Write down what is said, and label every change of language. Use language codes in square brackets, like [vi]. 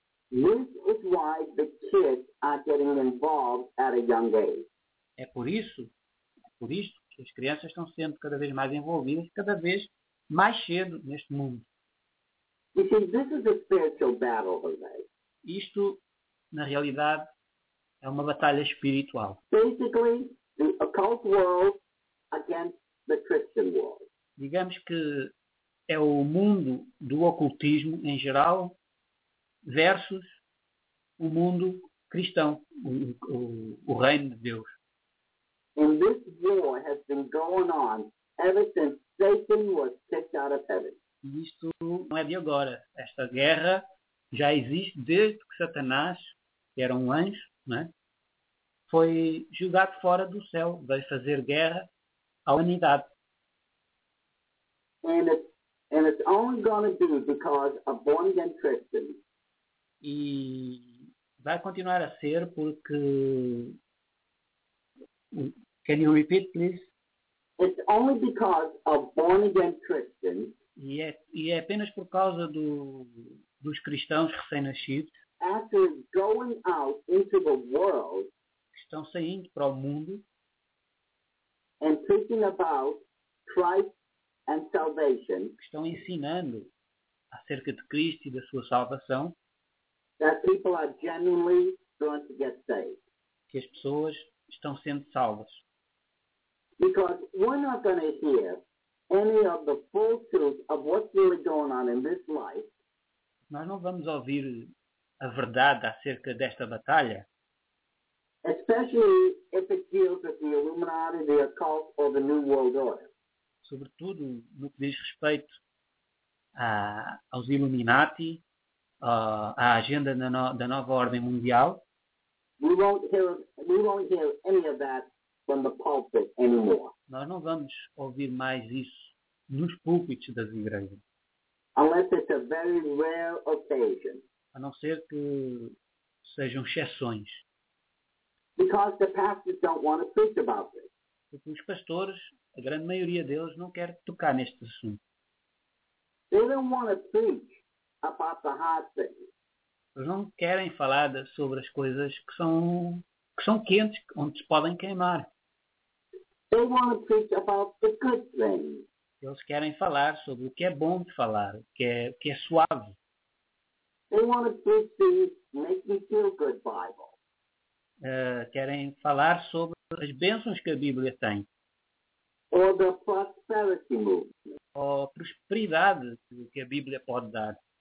[en] This is why the kids are getting involved at a young age. [pt] É por isto que as crianças estão sendo cada vez mais envolvidas, cada vez mais cedo neste mundo. [en] You see, this is a spiritual battle, Jose. [pt] Isto, na realidade, é uma batalha espiritual. [en] Basically, the occult world against the Christian world. [pt] Digamos que é o mundo do ocultismo em geral versus o mundo cristão, o reino de Deus. [en] And this war has been going on ever since Satan was kicked out of heaven. [pt] E isto não é de agora. Esta guerra já existe desde que Satanás, que era um anjo, né, foi julgado fora do céu, veio fazer guerra à humanidade. [en] And it's only going to be because of born-again Christians. [pt] E vai continuar a ser porque... [en] Can you repeat, please? It's only because of born-again Christians. [pt] E é apenas por causa dos cristãos recém-nascidos. [en] After going out into the world, [pt] que estão saindo para o mundo. [en] And preaching about Christ and salvation, [pt] que estão ensinando acerca de Cristo e da sua salvação. [en] That people are genuinely going to get saved. [pt] Que as pessoas estão sendo salvas. [en] Because we're not going to hear any of the full truth of what's really going on in this life. [pt] Nós não vamos ouvir a verdade acerca desta batalha. [en] Especially if it deals with the Illuminati, the occult, or the New World Order. [pt] Sobretudo no que diz respeito aos Illuminati, à agenda da nova ordem mundial. [en] We won't hear any of that from the pulpit anymore. [pt] Nós não vamos ouvir mais isso nos púlpitos das igrejas. [en] Unless it's a very rare occasion. [pt] A não ser que sejam exceções. [en] Because the pastors don't want to preach about this. [pt] Porque os pastores, a grande maioria deles, não quer tocar neste assunto. [en] They don't want to preach about the hard things. [pt] Eles não querem falar sobre as coisas que são quentes, onde se podem queimar. [en] They want to preach about the good things. [pt] Eles querem falar sobre o que é bom de falar, o que é suave. [en] They want to preach the make me feel good Bible. [pt] Querem falar sobre as bênçãos que a Bíblia tem. [en] Or the prosperity movement. [pt] Ou a prosperidade que a Bíblia pode dar.